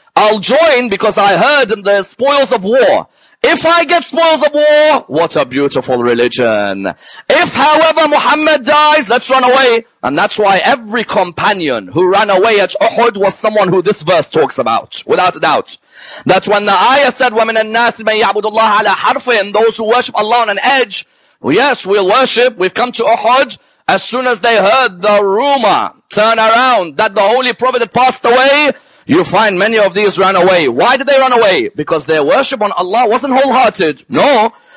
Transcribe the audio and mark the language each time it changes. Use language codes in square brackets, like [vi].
[en] I'll join because I heard in the spoils of war. If I get spoils of war, what a beautiful religion. If, however, Muhammad dies, let's run away. And that's why every companion who ran away at Uhud was someone who this verse talks about, without a doubt. That's when the ayah said, [ar] وَمِنَ النَّاسِ مَنْ يَعْبُدُ اللَّهَ عَلَى حَرْفٍ. [en] Those who worship Allah on an edge. Yes, we'll worship. We've come to Uhud. As soon as they heard the rumor turn around that the Holy Prophet had passed away, you find many of these ran away. Why did they run away? Because their worship on Allah wasn't wholehearted. No.